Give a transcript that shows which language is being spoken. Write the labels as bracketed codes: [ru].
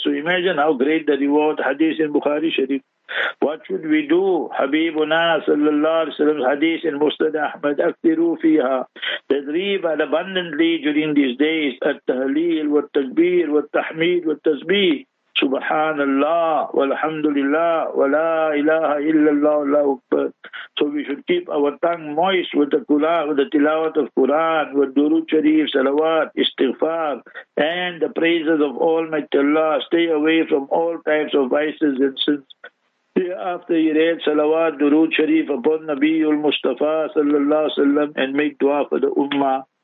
[en] So imagine how great the reward, hadith in Bukhari Sharif. What should we do? Habibuna sallallahu alayhi wa sallam, hadith in Musnad Ahmad, [ar] akthiru fiha, [en] that reave abundantly during these days, [ar] at tahleel, wa takbir, wa tahmeed, wa tasbih. سبحان الله والحمد لله ولا إله إلا الله الله أكبر. [en] So we should keep our tongue moist with the Quran, with the tilawat of Quran, with Durood Sharif, Salawat, Istighfar, and the praises of Almighty Allah. Stay away from all types of vices and sins. Thereafter, he read Salawat, Durood Sharif upon Nabiul Mustafa sallallahu alaihi wasallam and make dua for the Ummah.